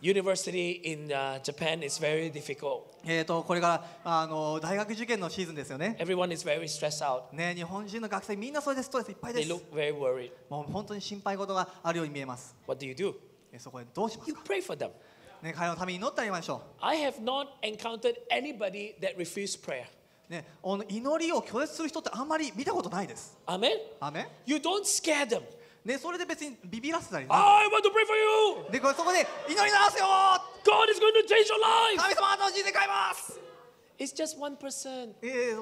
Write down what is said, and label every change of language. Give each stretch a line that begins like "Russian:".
English: University in Japan is very difficult.
Japanese: これからあの大学受験のシーズンですよね。
English: Everyone is very stressed out.
Japanese: ね、日本人の学生みんなそれでストレスいっぱいです。
English: They look very worried.
Japanese: もう本当に心配事があるように見えます。
English: What do you do?
Japanese: そこでどうしますか?
English: You pray for them.
Japanese: ね、彼のために祈ってあげましょう。
English: I have not encountered anybody that refused prayer.
Japanese: ね、祈りを拒絶する人ってあんまり見たことないです。アメン。アメン。
English: You don't scare them。
Japanese: ね、それで別にビビらせたり。
English: I want to pray for you。
Japanese: で、そこで祈りなすよ。
English: God is going to change your life。
Japanese: 神様あなたの人生変えます。
English: It's just one person。